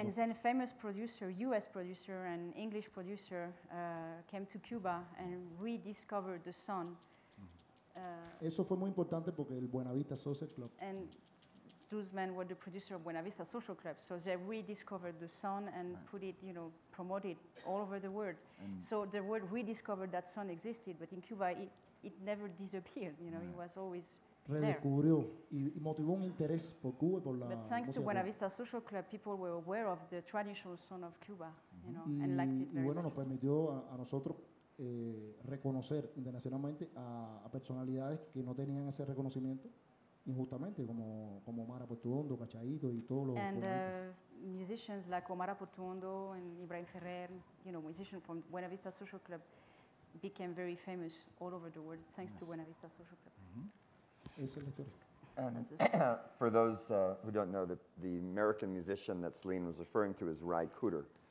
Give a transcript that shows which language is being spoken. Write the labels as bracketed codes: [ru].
[en] And then famous producer, US producer and English producer came to Cuba and rediscovered the son. [es] Eso fue muy importante porque el Buenavista Social Club. [en] And those men were the producer of Buena Vista Social Club, so they rediscovered the song and put it, you know, promoted all over the world. So the world rediscovered that song existed, but in Cuba it never disappeared, you know, it was always there. [es] Redescubrió y motivó un interés por Cuba y por la música. [en] But thanks to Buena Vista Social Club, people were aware of the traditional song of Cuba, you know, and liked it very much. [es] Y bueno, nos permitió a nosotros reconocer internacionalmente a personalidades que no tenían ese reconocimiento. Injustamente, como Omar Aportuondo, Cachaito y todos los [en] Musicians like Omar Aportuondo and Ibrahim Ferrer, you know, musicians from Buena Vista Social Club became very famous all over the world thanks to Buena Vista Social Club. [es] Mm-hmm. Esa es la historia. [en] And for those who don't know, the American musician that Celine was referring to is Ry Cooter.